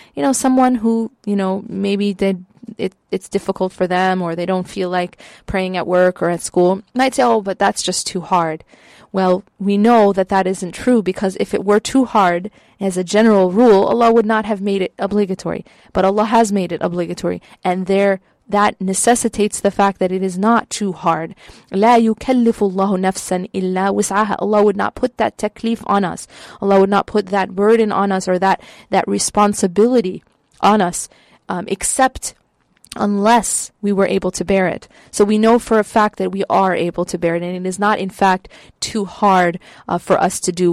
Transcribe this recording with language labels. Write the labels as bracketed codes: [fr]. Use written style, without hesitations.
[en] You know, someone who, you know, maybe it's difficult for them, or they don't feel like praying at work or at school, might say, oh, but that's just too hard. Well, we know that that isn't true, because if it were too hard, as a general rule, Allah would not have made it obligatory. But Allah has made it obligatory, and there that necessitates the fact that it is not too hard. [ar] لا يكلف الله نفسا إلا وسعها. [en] Allah would not put that takleef on us. Allah would not put that burden on us, or that responsibility on us, except unless we were able to bear it. So we know for a fact that we are able to bear it, and it is not in fact too hard for us to do.